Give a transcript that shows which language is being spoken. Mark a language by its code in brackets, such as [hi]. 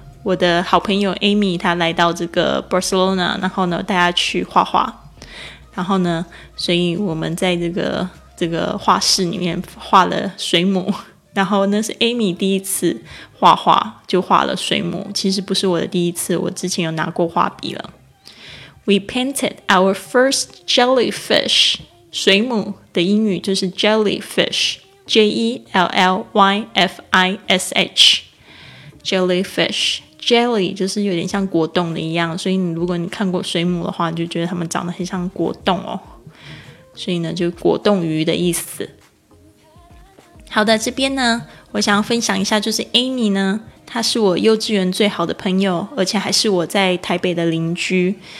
[zh] 我的好朋友 Amy 她来到这个 Barcelona， 然后呢带她去画画，然后呢所以我们在这个画室里面画了水母，然后那是 Amy 第一次画画就画了水母，其实不是我的第一次，我之前有拿过画笔了。 [en] We painted our first jellyfish， [zh] 水母的英语就是 [en] jellyfish，J-E-L-L-Y-F-I-S-H， Jellyfish。 [zh] Jelly 就是有点像果冻的一样，所以你如果你看过水母的话，你就觉得它们长得很像果冻哦，所以呢就果冻鱼的意思。好的，这边呢我想要分享一下，就是 Amy 呢她是我幼稚园最好的朋友，而且还是我在台北的邻居。